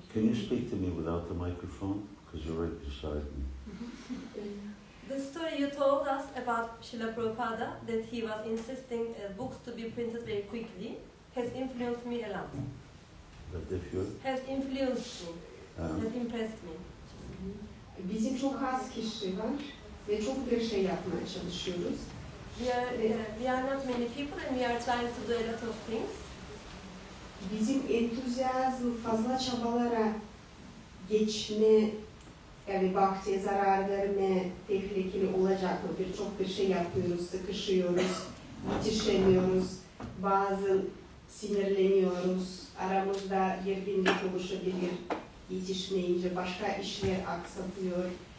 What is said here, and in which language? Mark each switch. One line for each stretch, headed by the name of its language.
English: Can you speak to me without the microphone? Because you're right beside me. The story you told us about Srila Prabhupada, that he was insisting books to be printed very quickly, has influenced me a lot. But if you're... Has influenced me. Has impressed me.
Turkish: Bizim çok az kişi var ve çok bir şey yapmaya çalışıyoruz.
English: We are not many people and we are trying to do a lot of things.
Turkish: Bizim entuziasm fazla çabalara geçme, yani bahçeye zarar verme tehlikeli olacak mı? Birçok bir şey yapıyoruz, sıkışıyoruz, yetişemiyoruz, bazı sinirleniyoruz, aramızda gerginlik oluşabilir, yetişmeyince başka işler aksatıyor.